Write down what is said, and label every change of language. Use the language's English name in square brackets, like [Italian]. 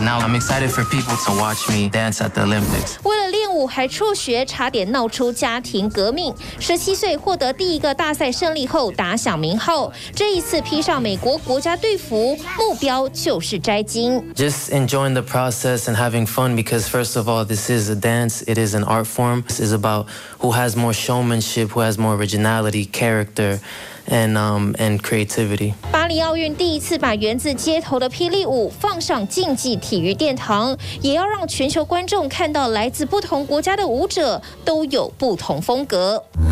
[English] Now I'm excited for people to watch me dance at the Olympics. [Chinese] 为了练舞还辍学，差点闹出家庭革命。十七岁获得第一个大赛胜利后，打响名号。这一次披上美国国家队服，目标就是摘金。 [English] Just enjoying the process and having fun because first of all, this is a dance. It is an art form. This is about who has more showmanship, who has more originality, character. And creativity. [Chinese] 巴黎奥运第一次把源自街头的霹雳舞放上竞技体育殿堂，也要让全球观众看到来自不同国家的舞者都有不同风格。